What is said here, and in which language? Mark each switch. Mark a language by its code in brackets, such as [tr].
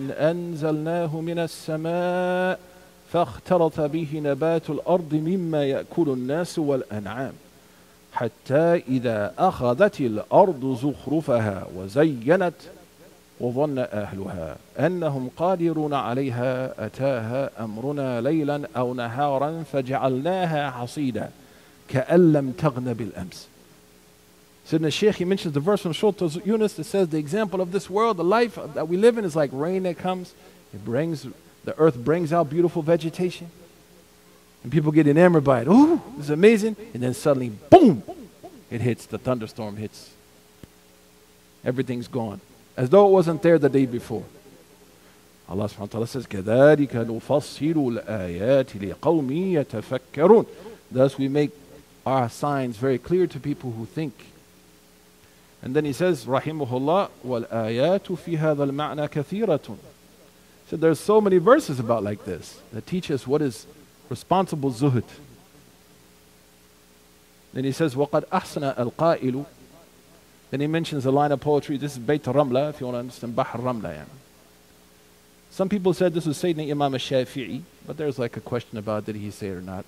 [ar] أَنْزَلْنَاهُ مِنَ السَّمَاءِ فاختلط به نبات الأرض مما يأكل الناس والأنعام حتى إذا أخذت الأرض زخرفها وزينت وظن أهلها أنهم قادرون عليها أتاها أمرنا ليلا أو نهارا فجعلناها حصيدا كأن لم تغن بالأمس. [en] Sidna Sheikh, he mentions the verse from Surah Yunus that says the example of this world, the life that we live in, is like rain that comes, it brings. The earth brings out beautiful vegetation. And people get enamored by it. Ooh, this is amazing. And then suddenly, boom, it hits. The thunderstorm hits. Everything's gone. As though it wasn't there the day before. Allah subhanahu wa ta'ala says, [ar] كَذَٰلِكَ نُفَصِّلُ الْآيَاتِ لِقَوْمِ يَتَفَكَّرُونَ. [en] Thus we make our signs very clear to people who think. And then he says, [ar] رَحِمُهُ اللَّهُ وَالْآيَاتُ فِي هَذَا الْمَعْنَى كَثِيرَةٌ. [en] So there's so many verses about like this that teach us what is responsible zuhud. Then he says, [ar] وَقَدْ أَحْسَنَ الْقَائِلُ. [en] Then he mentions a line of poetry. This is Bayt Ramla, if you want to understand Bahr Ramla. Yeah. Some people said this was Sayyidina Imam al-Shafi'i, but there's like a question about did he say it or not.